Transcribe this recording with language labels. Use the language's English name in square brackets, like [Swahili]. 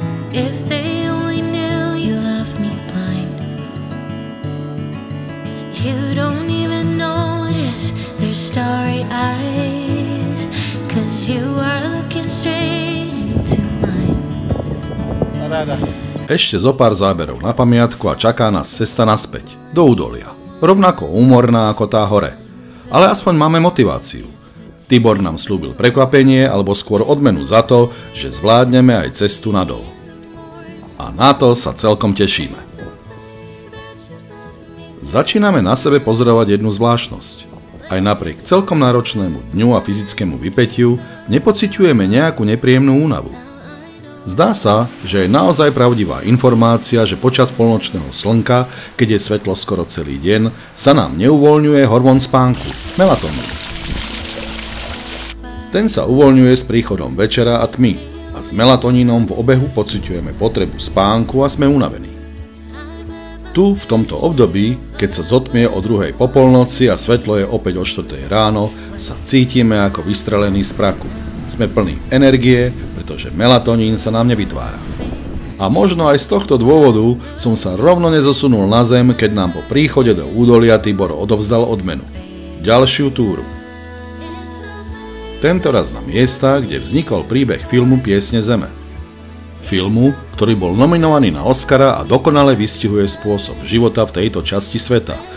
[English] If they only knew you left me blind. You don't even notice their starry eyes. Cause you are looking straight into mine. [Slovak] Rada. Ešte zo pár záberov na pamiatku a čaká nás cesta naspäť, do údolia. Rovnako úmorná ako tá hore. Ale aspoň máme motiváciu. Tibor nám slúbil prekvapenie alebo skôr odmenu za to, že zvládneme aj cestu nadol. A na to sa celkom tešíme. Začíname na sebe pozorovať jednu zvláštnosť. Aj napriek celkom náročnému dňu a fyzickému vypätiu nepociťujeme nejakú nepríjemnú únavu. Zdá sa, že je naozaj pravdivá informácia, že počas polnočného slnka, keď je svetlo skoro celý deň, sa nám neuvoľňuje hormón spánku, melatonín. Ten sa uvoľňuje s príchodom večera a tmy a s melatonínom v obehu pociťujeme potrebu spánku a sme unavení. Tu, v tomto období, keď sa zotmie o 2. popolnoci a svetlo je opäť o 4. ráno, sa cítime ako vystrelení z praku. Sme plní energie, pretože melatonín sa nám nevytvára. A možno aj z tohto dôvodu som sa rovno nezosunul na zem, keď nám po príchode do údolia Tibor odovzdal odmenu. Ďalšiu túru. Tentoraz na miesta, kde vznikol príbeh filmu Piesne zeme. Filmu, ktorý bol nominovaný na Oscara a dokonale vystihuje spôsob života v tejto časti sveta.